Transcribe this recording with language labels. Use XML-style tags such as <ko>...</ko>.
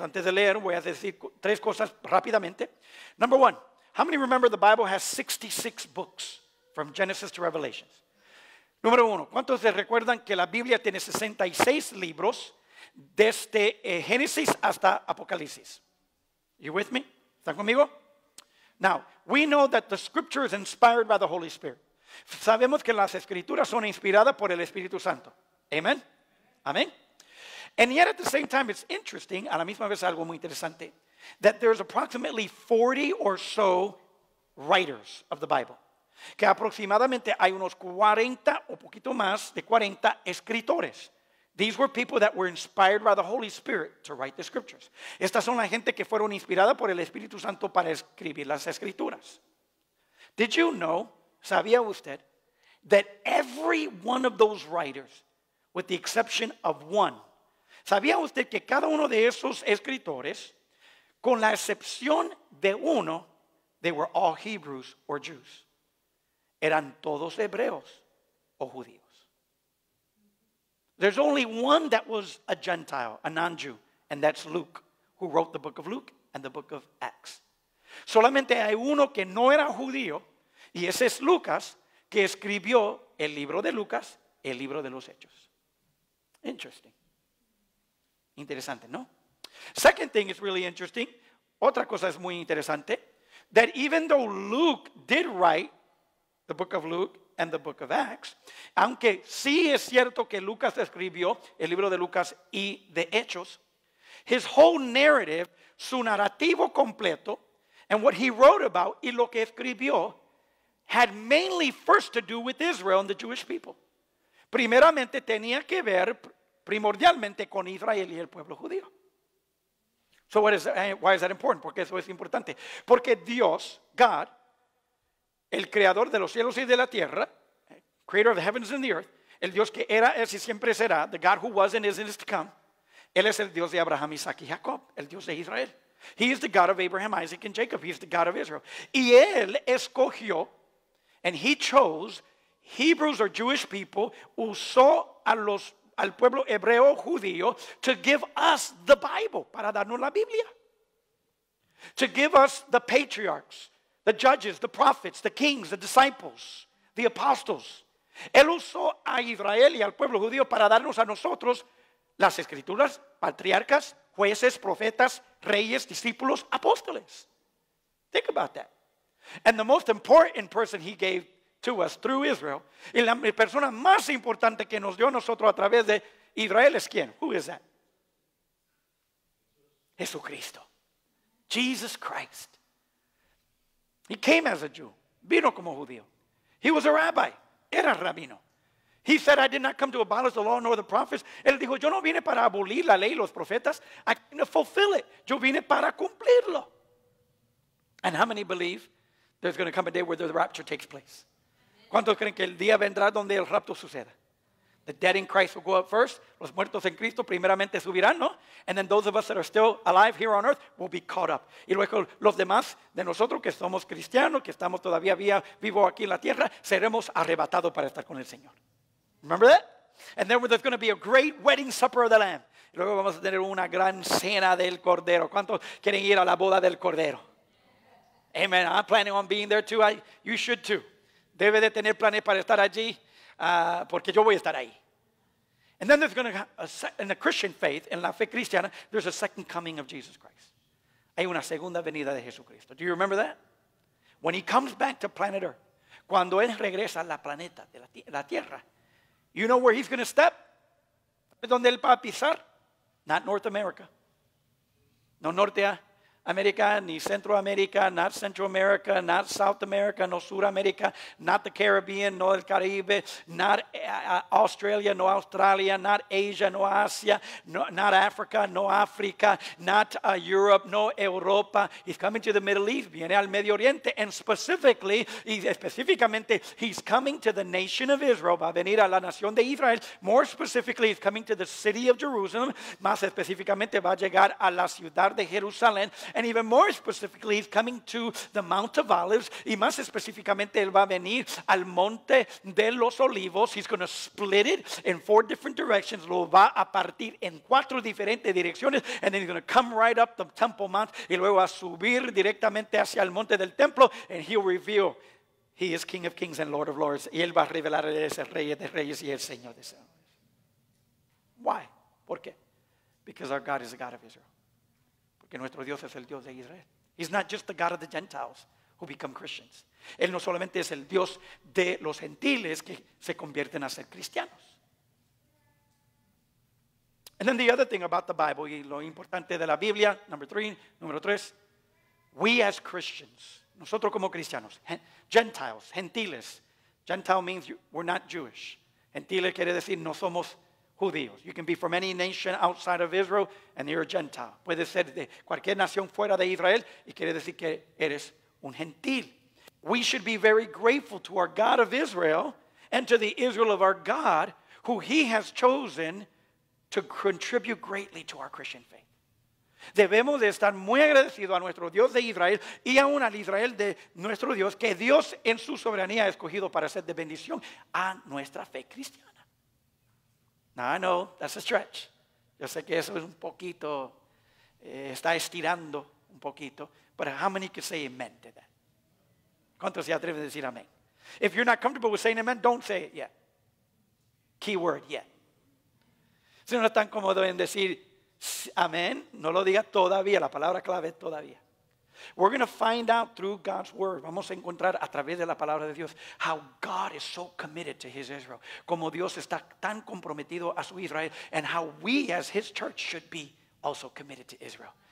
<es>Antes de leer, voy a decir tres cosas rápidamente.</es> <en>Number one, how many remember the Bible has 66 books from Genesis to Revelation?</en> <es>Número uno, ¿cuántos se recuerdan que la Biblia tiene 66 libros desde Génesis hasta Apocalipsis?</es> <en>You with me?</en> <es>¿Están conmigo?</es> <en>Now, we know that the scripture is inspired by the Holy Spirit.</en> <es>Sabemos que las escrituras son inspiradas por el Espíritu Santo.</es> <en>Amen? Amen? And yet at the same time, it's interesting,</en> <es>a la misma vez algo muy interesante,</es> <en>that there's approximately 40 or so writers of the Bible.</en> <es>Que aproximadamente hay unos 40 o poquito más de 40 escritores.</es> <en>These were people that were inspired by the Holy Spirit to write the scriptures.</en> <es>Estas son la gente que fueron inspiradas por el Espíritu Santo para escribir las escrituras.</es> <en>Did you know,</en> <es>sabía usted,</es> <en>that every one of those writers, with the exception of one,</en> <es>sabía usted que cada uno de esos escritores, con la excepción de uno,</es> <en>They were all Hebrews or Jews.</en> <es>Eran todos hebreos o judíos.</es> <en>There's only one that was a Gentile, a non-Jew, and that's Luke, who wrote the book of Luke and the book of Acts.</en> <es>Solamente hay uno que no era judío, y ese es Lucas, que escribió el libro de Lucas, el libro de los Hechos.</es> <en>Interesting.</en> <es>Interesante, ¿no?</es> <en>Second thing is really interesting.</en> <es>Otra cosa es muy interesante.</es> <en>That even though Luke did write the book of Luke and the book of Acts,</en> <es>aunque sí es cierto que Lucas escribió el libro de Lucas y de Hechos,</es> <en>his whole narrative,</en> <es>su narrativo completo,</es> <en>and what he wrote about</en> <es>y lo que escribió,</es> <en>had mainly first to do with Israel and the Jewish people.</en> <es>Primeramente tenía que ver primordialmente con Israel y el pueblo judío.</es> <en>So what is that, why is that important?</en> <es>Porque eso es importante. Porque Dios, God, el creador de los cielos y de la tierra,</es> <en>creator of the heavens and the earth,</en> <es>el Dios que era, es y siempre será,</es> <en>the God who was and is and is to come,</en> <es>él es el Dios de Abraham, Isaac y Jacob, el Dios de Israel.</es> <en>He is the God of Abraham, Isaac and Jacob. He is the God of Israel.</en> <es>Y él escogió,</es> <en>and he chose Hebrews or Jewish people,</en> <es>usó a los al pueblo hebreo judío,</es> <en>to give us the Bible,</en> <es>para darnos la Biblia.</es> <en>To give us the patriarchs, the judges, the prophets, the kings, the disciples, the apostles.</en> <es>Él usó a Israel y al pueblo judío para darnos a nosotros las escrituras, patriarcas, jueces, profetas, reyes, discípulos, apóstoles.</es> <en>Think about that. And the most important person he gave to us through Israel.</en> <es>Y la persona más importante que nos dio a nosotros a través de Israel es quién?</es> <en>Who is that? Jesucristo. Jesus Christ. He came as a Jew.</en> <es>Vino como judío.</es> <en>He was a rabbi.</en> <es>Era rabino.</es> <en>He said, I did not come to abolish the law nor the prophets.</en> <es>Él dijo, yo no vine para abolir la ley y los profetas.</es> <en>I came to fulfill it.</en> <es>Yo vine para cumplirlo.</es> <en>And how many believe there's going to come a day where the rapture takes place?</en> <es>¿Cuántos creen que el día vendrá donde el rapto suceda?</es> <en>The dead in Christ will go up first.</en> <es>Los muertos en Cristo primeramente subirán, ¿no?</es> <en>And then those of us that are still alive here on earth will be caught up.</en> <es>Y luego los demás de nosotros que somos cristianos, que estamos todavía vivos aquí en la tierra, seremos arrebatados para estar con el Señor.</es> <en>Remember that? And then there's going to be a great wedding supper of the Lamb.</en> <es>Y luego vamos a tener una gran cena del Cordero. ¿Cuántos quieren ir a la boda del Cordero? Amen.</es> <en>I'm planning on being there too. You should too.</en> <es>Debe de tener planes para estar allí, porque yo voy a estar ahí.</es> <en>And then there's going to in the Christian faith, in</en> <es>la fe cristiana,</es> <en>there's a second coming of Jesus Christ.</en> <es>Hay una segunda venida de Jesucristo.</es> <en>Do you remember that? When he comes back to planet Earth,</en> <es>cuando él regresa a la planeta de la Tierra,</es> <en>you know where he's going to step?</en> <es>¿Dónde él va a pisar?</es> <en>Not North America.</en> <es>No Norte America, ni Central America,</es> <en>not Central America, not South America,</en> <es>no Sur America,</es> <en>not the Caribbean,</en> <es>no el Caribe,</es> <en>not Australia,</en> <es>no Australia,</es> <en>not Asia,</en> <es>no Asia, no,</es> <en>not Africa,</en> <es>no Africa,</es> <en>not Europe,</en> <es>no Europa.</es> <en>He's coming to the Middle East,</en> <es>viene al Medio Oriente,</es> <en>and specifically,</en> <es>y específicamente,</es> <en>he's coming to the nation of Israel,</en> <es>va a venir a la nación de Israel.</es> <en>More specifically, he's coming to the city of Jerusalem,</en> <es>más específicamente, va a llegar a la ciudad de Jerusalén.</es> <en>And even more specifically, he's coming to the Mount of Olives.</en> <es>Y más específicamente, él va a venir al Monte de los Olivos.</es> <en>He's going to split it in four different directions.</en> <es>Lo va a partir en cuatro diferentes direcciones.</es> <en>And then he's going to come right up the Temple Mount.</en> <es>Y luego a subir directamente hacia el Monte del Templo.</es> <en>And he'll reveal he is King of Kings and Lord of Lords.</en> <es>Y él va a revelar a ese Rey de Reyes y el Señor de Señores.</es> <en>Why?</en> <es>¿Por qué?</es> <en>Because our God is the God of Israel.</en> <es>Que nuestro Dios es el Dios de Israel.</es> <en>He's not just the God of the Gentiles who become Christians.</en> <es>Él no solamente es el Dios de los gentiles que se convierten a ser cristianos.</es> <en>And then the other thing about the Bible,</en> <es>y lo importante de la Biblia, número tres,</es> <en>we as Christians,</en> <es>nosotros como cristianos,</es> <en>gentile means we're not Jewish.</en> <es>Gentile quiere decir no somos judíos.</es> <en>You can be from any nation outside of Israel and you're a Gentile.</en> <es>Puede ser de cualquier nación fuera de Israel y quiere decir que eres un gentil.</es> <en>We should be very grateful to our God of Israel and to the Israel of our God who he has chosen to contribute greatly to our Christian faith.</en> <es>Debemos de estar muy agradecidos a nuestro Dios de Israel y aún al Israel de nuestro Dios, que Dios en su soberanía ha escogido para ser de bendición a nuestra fe cristiana.</es> <en>Now I know that's a stretch.</en> <es>Yo sé que eso es un poquito,</es> <en>está estirando un poquito, but how many can say amen to that?</en> <es>¿Cuántos se atreven a decir amén?</es> <en>If you're not comfortable with saying amen, don't say it yet. Keyword, yet.</en> <es>Si no están cómodos en decir amén, no lo diga todavía. La palabra clave es todavía.</es> <en>We're going to find out through God's word.</en> <es>Vamos a encontrar a través de la palabra de Dios</es> <en>how God is so committed to his Israel.</en> <es>Como Dios está tan comprometido a su Israel,</es> <en>and how we as his church should be also committed to Israel.</en>